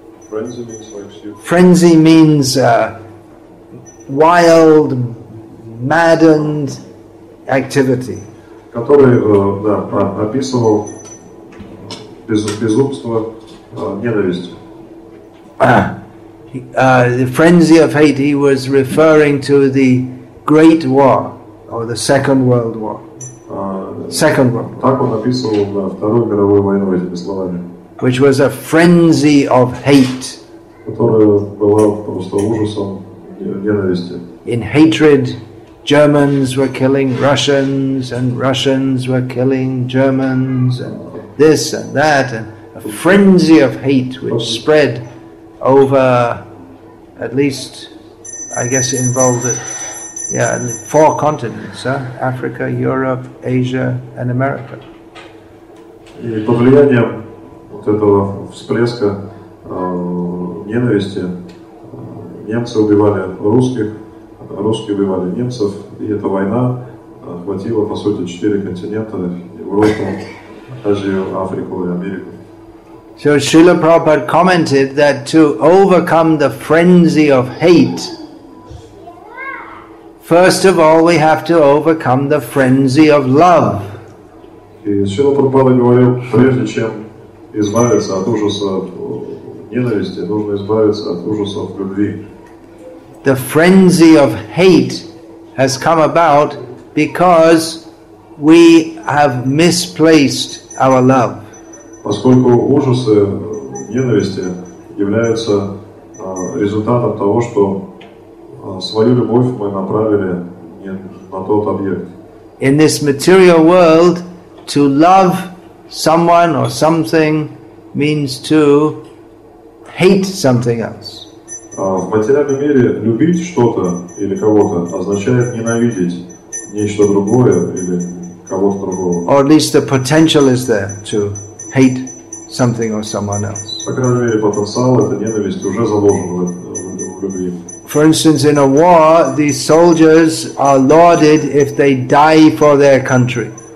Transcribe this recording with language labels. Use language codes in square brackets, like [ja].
[en] Frenzy means like frenzy means wild, maddened activity. [ru] Который описывал безумство, ненависть. [en] The frenzy of hate, he was referring to the Great War, or the Second World War. Second World War. [ru] Так он описывал Вторую мировую войну этими словами. [en] Which was a frenzy of hate. [ru] Которая была просто ужасом ненависти. [en] In hatred, Germans were killing Russians, and Russians were killing Germans, and this and that, and a frenzy of hate which spread over at least, I guess it involved it, four continents, Africa, Europe, Asia, and America. [ru] И под влиянием вот этого всплеска ненависти немцы убивали русских, русские убивали немцев, и эта война охватила, по сути, 4 континента, Европу, Азию, Африку и Америку. [en] So Srila Prabhupada commented that to overcome the frenzy of hate, first of all we have to overcome the frenzy of love. [ru] И Srila Prabhupada говорил, прежде чем избавиться от ужаса ненависти, нужно избавиться от ужаса любви. [en] The frenzy of hate has come about because we have misplaced our love. [ru] Поскольку ужасы ненависти являются результатом того, что свою любовь мы направили не на тот объект. [en] In this material world, to love someone or something means to hate something else. [ru] В материальном мире любить что-то или кого-то означает ненавидеть нечто другое или кого-то другого. [en] Or at least the potential is there to hate something or someone else. [ru] По крайней мере, потенциал этой ненависти уже заложен в любви. [en] For instance, in a war, these soldiers are lauded if they die for their country.